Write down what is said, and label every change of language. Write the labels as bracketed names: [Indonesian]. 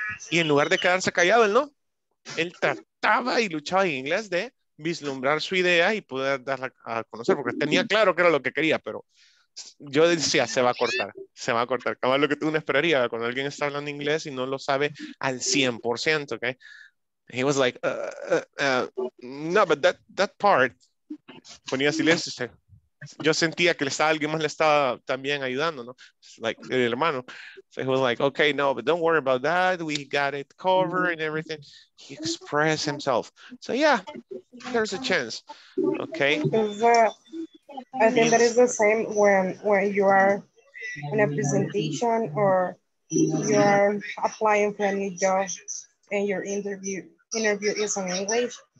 [Spanish] Y en lugar de quedarse callado, él no. Él trataba y luchaba en inglés de vislumbrar su idea y poder darla a conocer, porque tenía claro que era lo que quería, pero yo decía, se va a cortar. Como lo que tú no esperarías cuando alguien está hablando inglés y no lo sabe al 100%, ¿ok? [English] He was like, no, but that part, [Spanish] ponía silencio y se. Yo sentía que alguien más le estaba también ayudando, ¿no? Like, el hermano. [English] So he was like, okay, no, but don't worry about that. We got it covered and everything. He expressed himself. So, yeah, there's a chance. Okay. I think that is the same when you are in a presentation or you are applying for a new job and your interview is in English.